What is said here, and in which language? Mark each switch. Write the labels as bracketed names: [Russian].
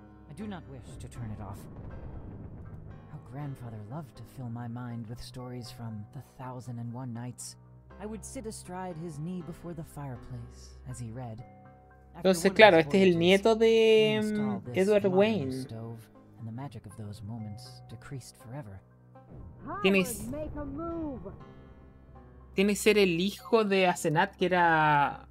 [English] I do not wish to turn it off. How grandfather loved to fill my mind with stories from the Thousand and One Nights. I would sit astride his knee before the fireplace as he read. [Spanish] Entonces, claro, este es el nieto de Edward Wayne. [English] Stove, and the magic of those moments decreased forever. [Spanish] Tienes... Tiene que ser el hijo de Asenath, que era...